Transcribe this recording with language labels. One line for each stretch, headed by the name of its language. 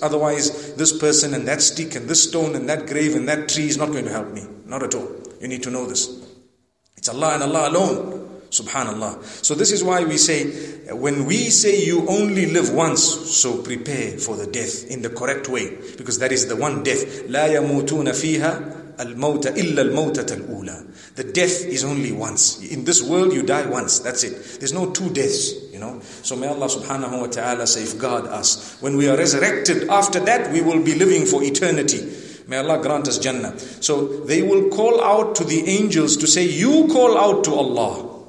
English: Otherwise, this person and that stick and this stone and that grave and that tree is not going to help me. Not at all. You need to know this. It's Allah and Allah alone. Subhanallah. So this is why we say, when we say you only live once, so prepare for the death in the correct way. Because that is the one death.
Arabic: لا يموتون فيها الموت إلا الموتة الأولى.
English: The death is only once. In this world, you die once. That's it. There's no two deaths, you know. So may Allah subhanahu wa ta'ala safeguard us. When we are resurrected, after that, we will be living for eternity. May Allah grant us Jannah. So they will call out to the angels to say, you call out to Allah.